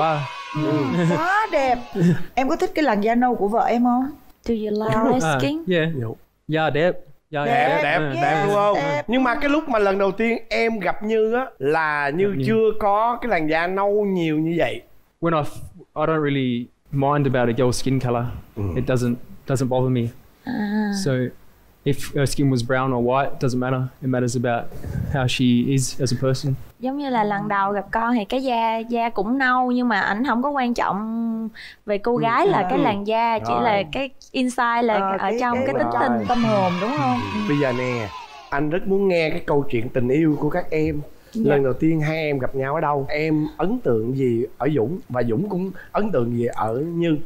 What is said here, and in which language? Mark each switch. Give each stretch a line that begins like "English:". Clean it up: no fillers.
Vietnamese: Quá. Quá đẹp. Em có thích cái làn da nâu của vợ em không?
English: Do you like skin? Yeah. Yeah,
Vietnamese: đẹp.
English: Yeah,
Vietnamese: đẹp, đẹp, đẹp,
English: yeah,
Vietnamese: đẹp đúng không? Đẹp. Nhưng mà cái lúc mà lần đầu tiên em gặp Như á là Như chưa có cái làn da nâu nhiều như vậy.
English: When I don't really mind about a girl's skin color. It doesn't bother me. So if her skin was brown or white, doesn't matter. It matters about how she is as a person.
Vietnamese: Giống như là lần đầu gặp con thì cái da cũng nâu nhưng mà ảnh không có quan trọng về cô gái là cái làn da, chỉ là cái inside là ở trong cái tính tình tâm hồn đúng không? Bây giờ nè, anh rất muốn nghe cái câu chuyện tình yêu của các em. Lần đầu tiên hai em gặp nhau ở đâu? Em ấn tượng gì ở Dũng và Dũng cũng ấn tượng gì ở Như?